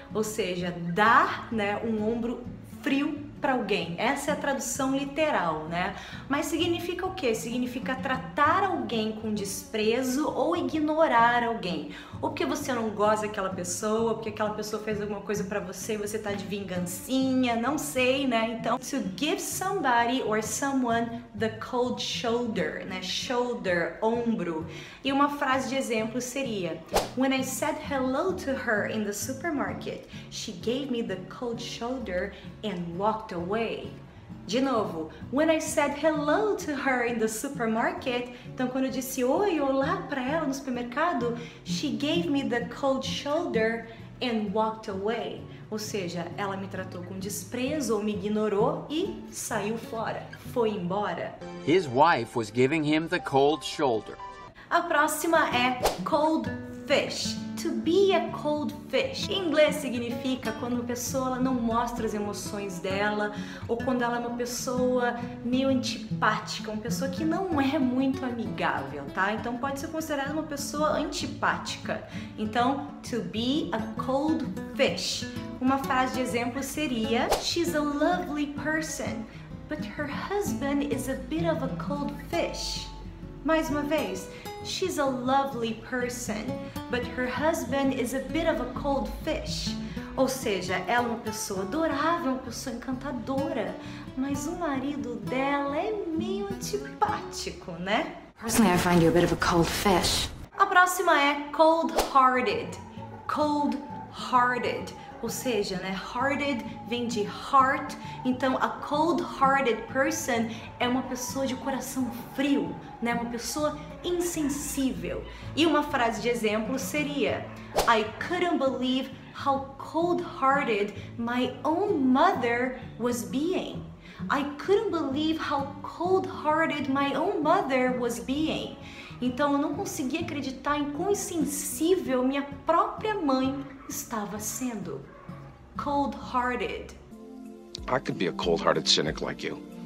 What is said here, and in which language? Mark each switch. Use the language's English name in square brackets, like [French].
[Portuguese] Ou seja, dar, né, um ombro frio para alguém. Essa é a tradução literal, né? Mas significa o quê? Significa tratar alguém com desprezo ou ignorar alguém. Ou porque você não gosta daquela pessoa, ou porque aquela pessoa fez alguma coisa para você e você tá de vingancinha, não sei, né? [English] Então, to give somebody or someone the cold shoulder, né? [Portuguese] Shoulder, ombro. E uma frase de exemplo seria: [English] When I said hello to her in the supermarket, she gave me the cold shoulder and walked away. [Portuguese] De novo, [English] when I said hello to her in the supermarket, [Portuguese] então quando eu disse oi, olá para ela no supermercado, [English] she gave me the cold shoulder and walked away. [Portuguese] Ou seja, ela me tratou com desprezo ou me ignorou e saiu fora, foi embora. [English] His wife was giving him the cold shoulder. [Portuguese] A próxima é [English] cold fish. To be a cold fish. [Portuguese] Em inglês significa quando a pessoa, ela não mostra as emoções dela, ou quando ela é uma pessoa meio antipática, uma pessoa que não é muito amigável, tá? Então pode ser considerada uma pessoa antipática. Então, [English] to be a cold fish. [Portuguese] Uma frase de exemplo seria: [English] She's a lovely person, But her husband is a bit of a cold fish. [Portuguese] Mais uma vez, [English] she's a lovely person, but her husband is a bit of a cold fish. [Portuguese] Ou seja, ela é uma pessoa adorável, uma pessoa encantadora, mas o marido dela é meio antipático, né? [English] Personally, I find you a bit of a cold fish. [Portuguese] A próxima é cold-hearted. Cold-hearted. Ou seja, né? Hearted vem de heart. Então, [English] a cold-hearted person [Portuguese] é uma pessoa de coração frio, né? Uma pessoa insensível. E uma frase de exemplo seria: [English] I couldn't believe how cold-hearted my own mother was being. I couldn't believe how cold-hearted my own mother was being. [Portuguese] Então, eu não consegui acreditar em quão insensível minha própria mãe estava sendo. [English] Cold-hearted. I could be a cold-hearted cynic like you.